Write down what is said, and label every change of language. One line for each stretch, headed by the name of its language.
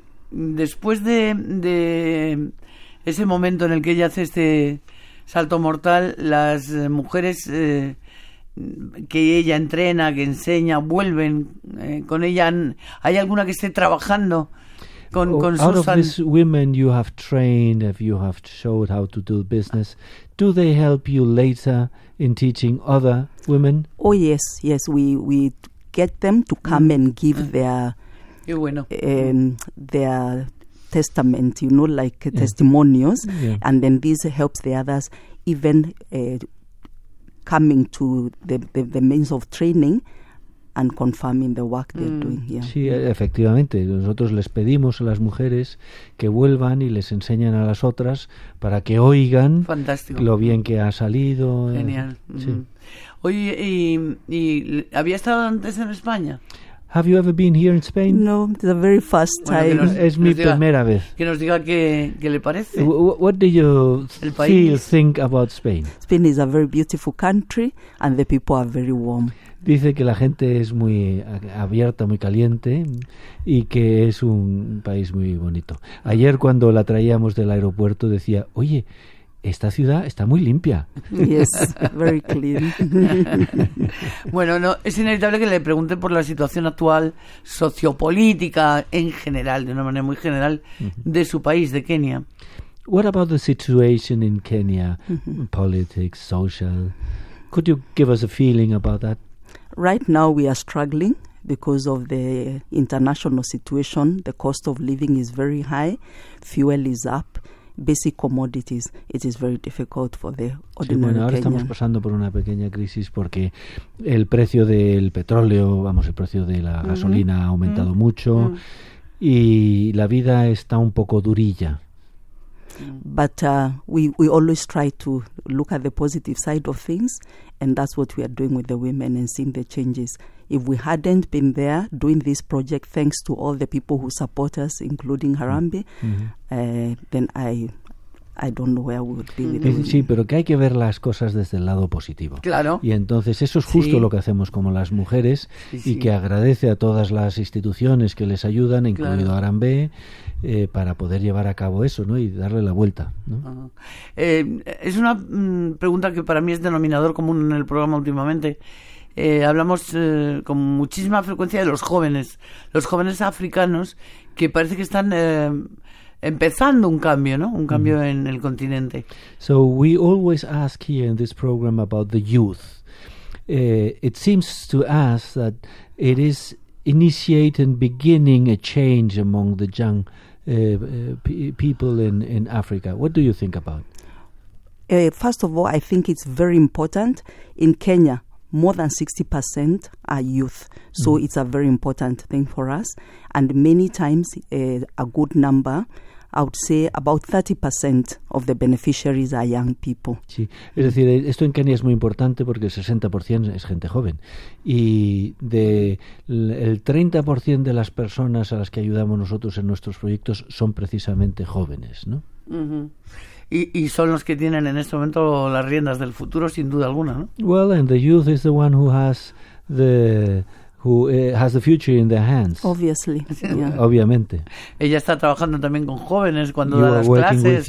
Spanish: Después de ese momento en el que ella hace este salto mortal, las mujeres que ella entrena, que enseña, vuelven con ella. ¿Hay alguna que esté trabajando con Susan?
English: Out of these women you have trained, if you have showed how to do business, do they help you later in teaching other women? Oh yes, we get them to come and give their
Spanish: Qué bueno.
English: Their testament, you know, like testimonios, and then this helps the others even coming to the means of training and confirming the work they're doing here.
Spanish: Sí, efectivamente. Nosotros les pedimos a las mujeres que vuelvan y les enseñen a las otras para que oigan lo bien que ha salido. Genial. Sí. Oye, ¿y había estado antes en España?
English: Have you ever been here in Spain? No, it's a very first time.
Spanish: Bueno, es mi primera vez. Que nos diga qué le parece.
English: What do you feel, think about Spain? Spain is a very beautiful country and the people are very warm.
Spanish: Dice que la gente es muy abierta, muy caliente y que es un país muy bonito. Ayer cuando la traíamos del aeropuerto decía, oye, esta ciudad está muy limpia.
English: Yes, very clean.
Spanish: Bueno, no, es inevitable que le pregunte por la situación actual sociopolítica en general, de una manera muy general, de su país, de Kenia.
English: What about the situation in Kenya, politics, social? Could you give us a feeling about that? Right now we are struggling because of the international situation. The cost of living is very high, fuel is up. Basic commodities, it is very difficult for the ordinary Kenyan.
Spanish: Sí, bueno, ahora estamos pasando por una pequeña crisis porque el precio del petróleo, vamos, el precio de la gasolina ha aumentado mucho y la vida está un poco durilla.
English: But we always try to look at the positive side of things, and that's what we are doing with the women and seeing the changes. If we hadn't been there doing this project, thanks to all the people who support us, including Harambe, then I don't know where we would be with
Spanish: Sí, pero que hay que ver las cosas desde el lado positivo. Claro. Y entonces eso es justo lo que hacemos como las mujeres y que agradece a todas las instituciones que les ayudan, incluido Harambe, para poder llevar a cabo eso, ¿no? Y darle la vuelta, ¿no? Es una pregunta que para mí es denominador común en el programa últimamente. Hablamos con muchísima frecuencia de los jóvenes africanos que parece que están empezando un cambio, ¿no? Un cambio en el continente.
English: So we always ask here in this program about the youth. It seems to us that it is initiating, beginning a change among the young people in Africa. What do you think about? First of all, I think it's very important in Kenya. More than 60% are youth, so it's a very important thing for us. And many times, a good number, I would say about 30% of the beneficiaries are young people.
Spanish: Sí, es decir, esto en Kenia es muy importante porque el 60% es gente joven. Y el 30% de las personas a las que ayudamos nosotros en nuestros proyectos son precisamente jóvenes, ¿no? Y son los que tienen en este momento las riendas del futuro, sin duda alguna, ¿no?
English: Well, and the youth is the one who has the future in their hands. Obviously. Yeah.
Spanish: Obviamente. Ella está trabajando también con jóvenes cuando da las clases,